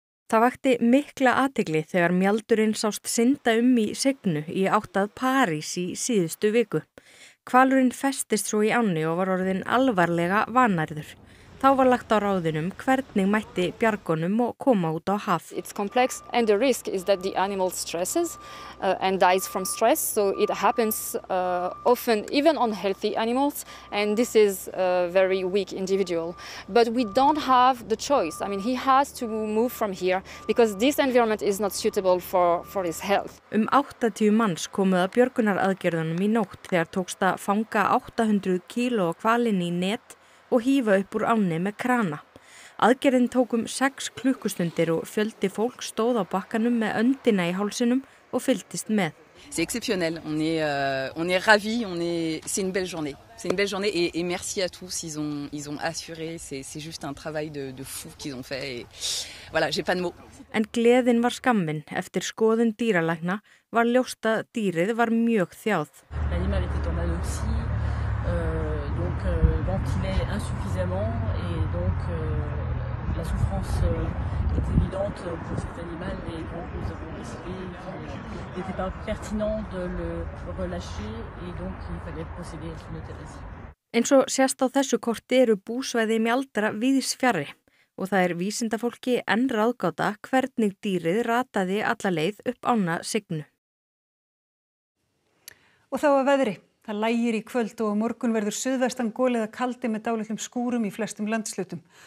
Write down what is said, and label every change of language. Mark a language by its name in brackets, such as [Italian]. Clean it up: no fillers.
[Icelandic] Það vakti mikla athygli þegar mjaldurinn sást synda í Signu í átt að París í síðustu viku. Hvalurinn festist svo í ánni og var orðinn alvarlega vannærður. Þá var lagt á ráðunum hvernig mætti bjargunum og koma út á haf. [English] It's complex and the risk is that the animal stresses and dies from stress. So it happens often even on healthy animals and this is a very weak individual. But we don't have the choice. I mean he has to move from here because this environment is not suitable for his health. [Icelandic] 80 manns komu að björgunaraðgerðunum í nótt þegar tókst að fanga 800 kíló hvalinn í net og hífa upp úr ánni með krana. Aðgerðin tók 6 klukkustundir og fjöldi fólk stóð á bakkanum með öndina í hálsinum og fylgdist með. [French] C'est exceptionnel. On est ravi, c'est une belle journée. C'est une belle journée et merci à tous, ils ont assuré, c'est juste un travail de fou qu'ils ont fait et voilà, j'ai pas de mots. [Icelandic] En gleðin var skammin eftir skoðun dýralækna var ljóst að dýrið var mjög þjáð. [French] Il est insuffisamment et donc la souffrance est évidente pour cet animal et donc nous avons décidé qu'il n'était pas pertinent de le relâcher et donc il fallait procéder à son euthanasie. [Icelandic] Eins og sést á þessu korti eru búsvæði mjaldra víðs fjarri og það vísindafólki enn ráðgáta hvernig dýrið rataði alla leið upp ána signu. Og þá að veðri. Það lægir í kvöld og á morgun verður suðvestan golið að kaldi með dálitlum skúrum í flestum landshlutum.